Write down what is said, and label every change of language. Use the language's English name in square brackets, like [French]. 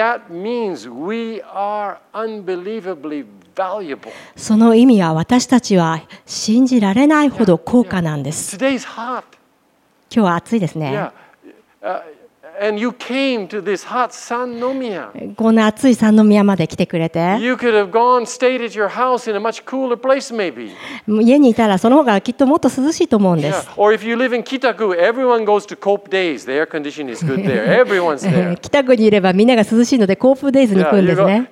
[English] And that means we are unbelievably valuable. [Japanese] その意味は私たちは信じられないほど高価なんです。 [English] Today's hot. [Japanese] 今日は暑いですね。 [English] Yeah. And you came to this hot Sannomiya. [Japanese] この暑い三宮まで来てくれて。 [English] You could have gone stayed at your house in a much cooler place maybe. [Japanese] 家にいたらその方がきっともっと涼しいと思うんです。 [English] Yeah. Or if you live in Kitaku, everyone goes to Kobe Days. The air conditioning is good there. Everyone's there. [Japanese] 北区にいればみんなが涼しいのでコープデイズに行くんですね。